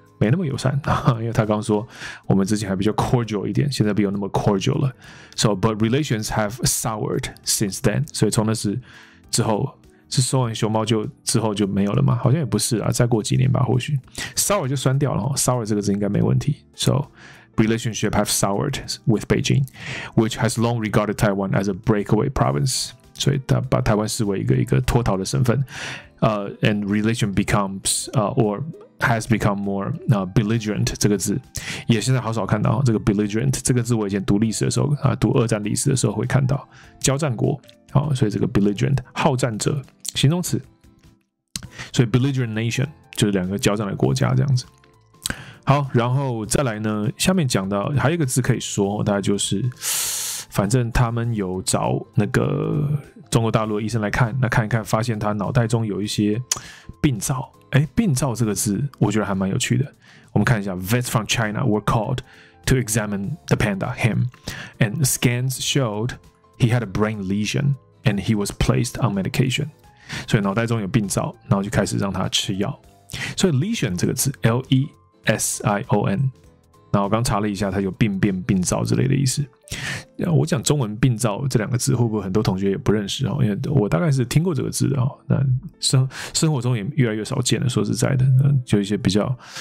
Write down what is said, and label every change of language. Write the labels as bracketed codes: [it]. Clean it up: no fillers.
[zh] 没那么友善，因为他刚说我们之前还比较 cordial 一点，现在没有那么 cordial 了。 [en] So, but relations have soured since then. [zh] 所以从那时之后，是收完熊猫就之后就没有了吗？好像也不是啊，再过几年吧，或许 sour 就酸掉了。 Sour 这个字应该没问题。 [en] So, relationship have soured with Beijing, which has long regarded Taiwan as a breakaway province. [zh] 所以他把台湾视为一个脱逃的身份。 [en] And relation becomes or has become more belligerent [zh] 这个字也现在好少看到，这个 belligerent 这个字我以前读历史的时候啊，读二战历史的时候会看到交战国，哦，所以这个 belligerent 好战者形容词，所以 belligerent nation 就是两个交战的国家这样子。好，然后再来呢，下面讲到还有一个字可以说，大概就是反正他们有找那个中国大陆的医生来看，那看一看发现他脑袋中有一些病灶。哎，病灶这个字我觉得还蛮有趣的。我们看一下 [en] ,Vets from China were called to examine the panda, him, and scans showed he had a brain lesion and he was placed on medication. [zh] 所以脑袋中有病灶，然后就开始让他吃药。所以 lesion 这个字 ,L-E-S-I-O-N, 那我刚查了一下它有病变、病灶之类的意思。我讲中文病灶这两个字会不会很多同学也不认识，因为我大概是听过这个字的，那生活中也越来越少见了，说实在的就一些比较